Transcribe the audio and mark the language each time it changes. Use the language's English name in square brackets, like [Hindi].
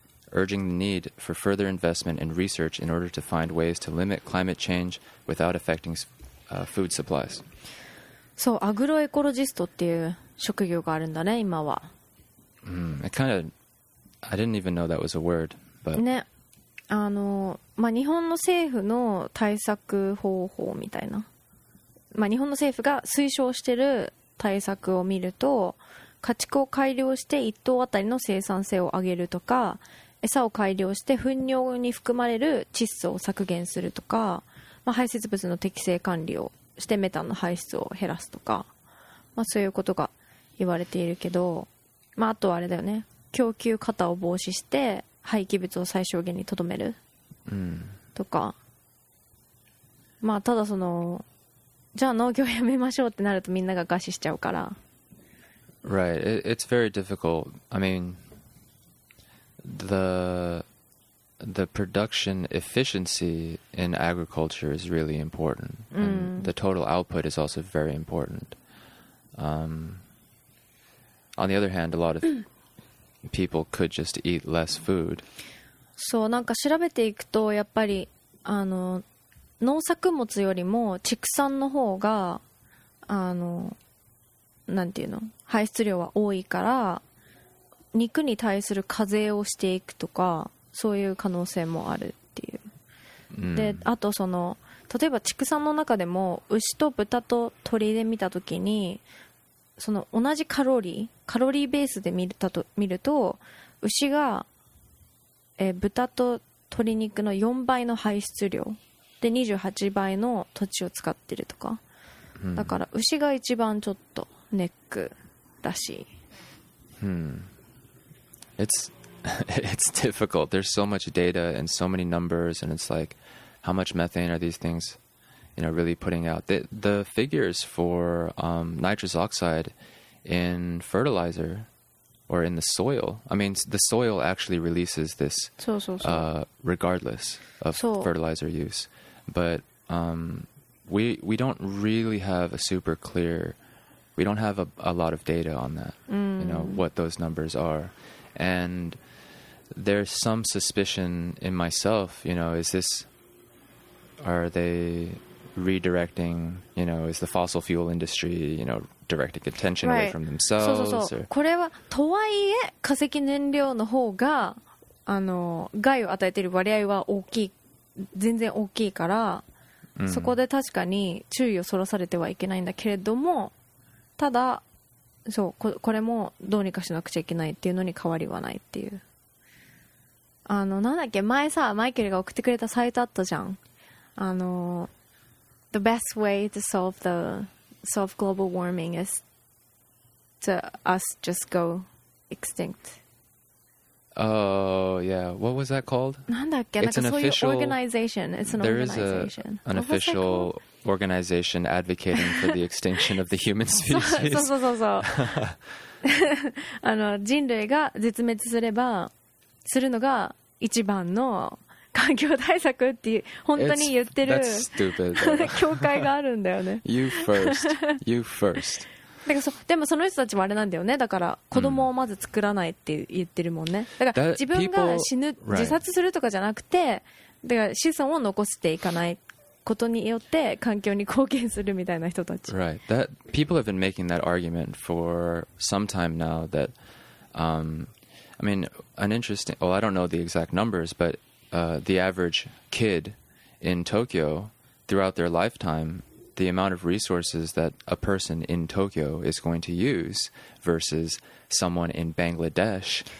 [English] Urging the need for further investment in research in order to find ways to limit climate change without affecting food supplies." [Japanese] So, agroecologist っていう職業があるんだね、今は。 [English] It kind of I didn't even know that was a word, but... [Japanese] ね、あの、まあ、日本の政府の対策方法みたいな。まあ、日本の政府が推奨してる対策を見ると、家畜を改良して一頭あたりの生産性を上げるとか、餌を改良して糞尿に含まれる窒素を削減するとか、まあ、排泄物の適正管理をしてメタンの排出を減らすとか、まあ、そういうことが言われているけど、まあ、あとはあれだよね、供給過多を防止して廃棄物を最小限にとどめるとか、うん、まあただそのじゃあ農業やめましょうってなるとみんなが餓死しちゃうから。 [English] Right, it's very difficult. I mean, the production efficiency in agriculture is really important. And、 [Japanese] うん、 [English] the total output is also very important. On the other hand, a lot of people could just eat less food. [Japanese] そう、なんか調べていくとやっぱりあの農作物よりも畜産の方があのなんていうの排出量は多いから肉に対する課税をしていくとかそういう可能性もあるっていう、 mm. で、あとその例えば畜産の中でも牛と豚と鶏で見たときにその同じカロリーカロリーベースで見ると牛が、豚と鶏肉の4倍の排出量で28倍の土地を使ってるとか、 mm. だから牛が一番ちょっとネックだし、 [English] mm. It's difficult. There's so much data and so many numbers, and it's like, how much methane are these things, you know, really putting out? The figures for nitrous oxide in fertilizer or in the soil, I mean, the soil actually releases this regardless of fertilizer use. But we don't really have a super clear, we don't have a lot of data on that, you know, what those numbers are. And... There's some suspicion in myself, you know, is this, are they redirecting, you know, is the fossil fuel industry, you know, directing attention away from themselves? [Japanese] そうそうそう。これは、とはいえ、化石燃料の方が、あの、害を与えている割合は大きい、全然大きいから、そこで確かに注意をそらされてはいけないんだけれども、ただ、そう、これもどうにかしなくちゃいけないっていうのに変わりはないっていう。あのなんだっけ前さマイケルが送ってくれたサイトあったじゃんあの [English] The best way to solve global warming is to us just go extinct Oh yeah what was that called? [Japanese] なんだっけ [English] It's [Japanese] なんかそうい [English] う official... organization It's an There organization There is a, an official organization advocating for the extinction of the human species [Japanese] そうそうそうそうあの人類が絶滅すればするのが一番の環境対策っていう本当に言ってる協会があるんだよね。 [English] You first, you first. [Japanese] だからでもその人たちもあれなんだよね。だから子供をまず作らないって言ってるもんね。だから自分が死ぬ自殺するとかじゃなくて、だから子孫を残していかないことによって環境に貢献するみたいな人たち。 [English] Right. That people have been making that argument for some time now that, I mean, an interesting... Well, I don't know the exact numbers, but the average kid in Tokyo, throughout their lifetime, the amount of resources that a person in Tokyo is going to use versus someone in Bangladesh